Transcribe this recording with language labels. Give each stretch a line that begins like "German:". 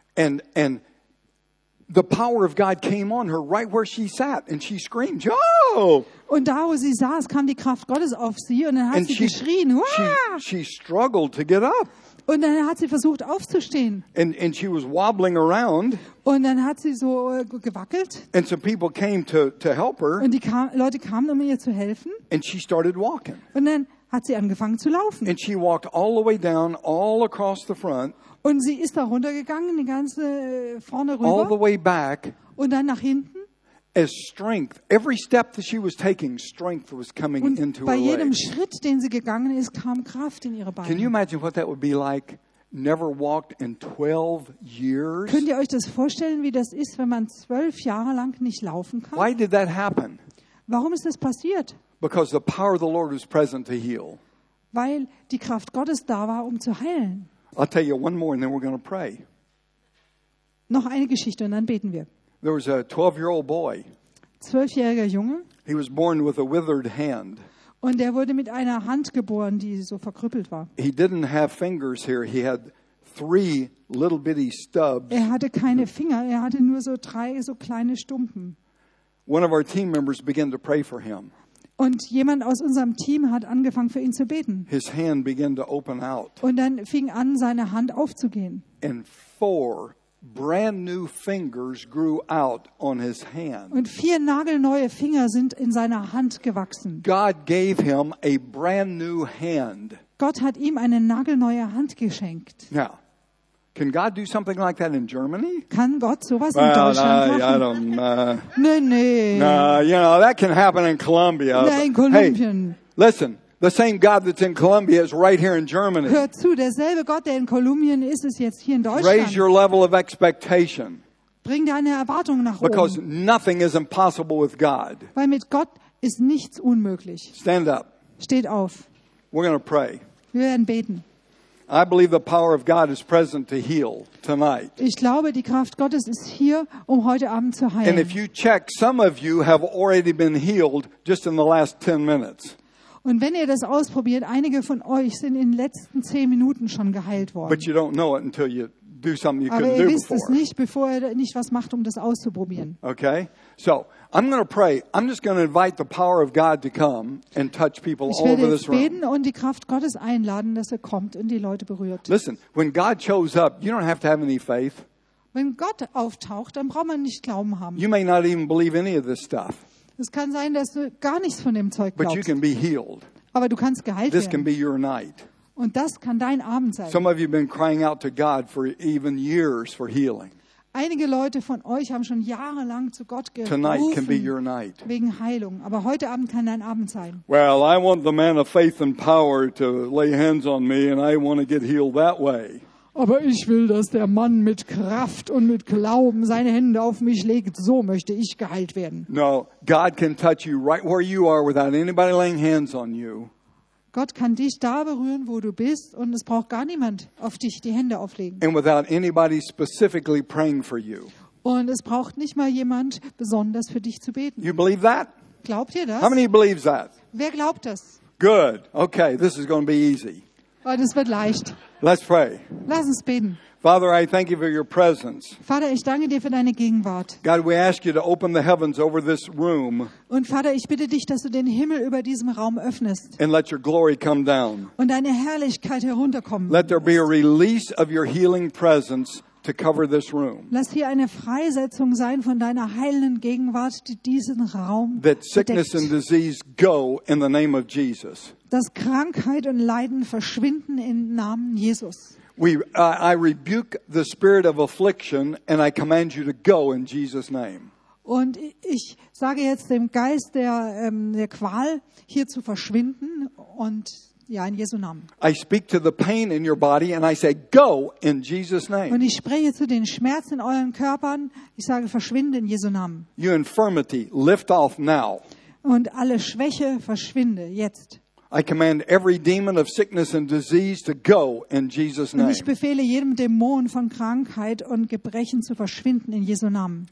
English: And the power of God came on her right where she sat and she screamed, "Oh!"
German: Und da, wo sie saß, kam die Kraft Gottes auf sie und dann hat sie geschrien, "Wah!"
English: She struggled to get up.
German: Und dann hat sie versucht aufzustehen.
English: And she was wobbling around.
German: Und dann hat sie so gewackelt.
English: And some people came to help her.
German: Und Leute kamen, um ihr zu helfen.
English: And she started walking.
German: Und dann hat sie angefangen zu laufen.
English: And she walked all the way down, all across the front.
German: Und sie ist da runtergegangen, die ganze vorne rüber.
English: All the way back.
German: Und dann nach hinten.
English: As strength, every step that she was taking, strength was coming into her legs.
German: Und bei jedem Schritt, den sie gegangen ist, kam Kraft in ihre Beine.
English: Can you imagine what that would be like? Never walked in 12 years.
German: Könnt ihr euch das vorstellen, wie das ist, wenn man 12 Jahre lang nicht laufen kann?
English: Why did that happen?
German: Warum ist das passiert?
English: Because the power of the Lord was present to heal.
German: Weil die Kraft Gottes da war, um zu heilen.
English: I'll tell you one more and then we're going to pray.
German: Noch eine Geschichte und dann beten wir.
English: There was a 12-year-old boy.
German: 12-jähriger Junge.
English: He was born with a withered hand.
German: Und er wurde mit einer Hand geboren, die so verkrüppelt war.
English: He didn't have fingers here. He had 3 little bitty stubs.
German: Er hatte keine Finger. Er hatte nur so 3 so kleine Stumpen.
English: One of our team members began to pray for him.
German: Und jemand aus unserem Team hat angefangen, für ihn zu beten.
English: His hand began to open out.
German: Und dann fing an, seine Hand aufzugehen.
English: And 4 brand new fingers grew out on his hand.
German: Und 4 nagelneue Finger sind in seiner Hand gewachsen.
English: God gave him a brand new hand.
German: Gott hat ihm eine nagelneue Hand geschenkt.
English: Now, can God do something like that in Germany?
German: Kann Gott sowas in Deutschland machen?
English: You know, that can happen in Colombia.
German: In Kolumbien.
English: Hey, listen, the same God that's in Colombia is right here in Germany.
German: Hör zu, derselbe Gott, der in Kolumbien ist, ist jetzt hier in Deutschland.
English: Raise your level of expectation.
German: Bring deine Erwartungen nach oben.
English: Because nothing is impossible with God.
German: Weil mit Gott ist nichts unmöglich.
English: Stand up.
German: Steht auf.
English: We're going to pray.
German: Wir werden beten.
English: I believe the power of God is present to heal tonight.
German: Ich glaube, die Kraft Gottes ist hier, um heute Abend zu heilen.
English: And if you check, some of you have already been healed just in the last 10 minutes.
German: Und wenn ihr das ausprobiert, einige von euch sind in den letzten 10 Minuten schon geheilt worden.
English: But you don't know it until you do something you couldn't do before. Aber
German: ihr wisst es nicht, bevor ihr nicht was macht, um das auszuprobieren.
English: Okay? So, I'm going to pray. I'm just going to invite the power of God to come and touch people all over this room.
German: Ich werde beten und die Kraft Gottes einladen, dass er kommt und die Leute berührt.
English: Listen, when God shows up, you don't have to have any faith.
German: Wenn Gott auftaucht, dann braucht man nicht Glauben haben.
English: You may not even believe any of this stuff.
German: Es kann sein, dass du gar nichts von dem Zeug glaubst.
English: But you can be healed.
German: Aber du kannst geheilt
English: this
German: werden.
English: This can be your night.
German: Und das kann dein Abend sein.
English: Some of you have been crying out to God for even years for healing.
German: Einige Leute von euch haben schon jahrelang zu Gott gerufen wegen Heilung. Aber heute Abend kann dein Abend sein.
English: Well, I want the man of faith and power to lay hands on me and I want to get healed that way.
German: Aber ich will, dass der Mann mit Kraft und mit Glauben seine Hände auf mich legt. So möchte ich geheilt werden.
English: No, God can touch you right where you are without anybody laying hands on you.
German: Gott kann dich da berühren, wo du bist, und es braucht gar niemand auf dich die Hände auflegen.
English: And without anybody specifically praying for you.
German: Und es braucht nicht mal jemand besonders für dich zu beten.
English: You believe that?
German: Glaubt ihr das?
English: How many believes that?
German: Wer glaubt das?
English: Good. Okay, this is going to be easy.
German: Und es wird leicht.
English: Let's pray.
German: Lass uns beten.
English: Father, I thank you for your presence.
German: Vater, ich danke dir für deine Gegenwart.
English: God, we ask you to open the heavens over this room.
German: Und Vater, ich bitte dich, dass du den Himmel über diesem Raum öffnest.
English: And let your glory come down.
German: Und deine Herrlichkeit herunterkommen.
English: Let there be a release of your healing presence to cover this room.
German: Lass hier eine Freisetzung sein von deiner heilenden Gegenwart, die diesen Raum bedeckt.
English: That sickness and disease go in the name of Jesus.
German: Dass Krankheit und Leiden verschwinden im Namen Jesus.
English: I rebuke the spirit of affliction and I command you to go in Jesus' name.
German: Und ich sage jetzt dem Geist der Qual hier zu verschwinden und ja in Jesu Namen.
English: I speak to the pain in your body and I say go in Jesus' name.
German: Und ich spreche zu den Schmerzen in euren Körpern, ich sage verschwinde in Jesu Namen.
English: Your infirmity lift off now.
German: Und alle Schwäche verschwinde jetzt.
English: I command every demon of sickness and disease to go in Jesus' name.
German: Und ich befehle jedem Dämon von Krankheit und Gebrechen zu verschwinden in Jesu Namen.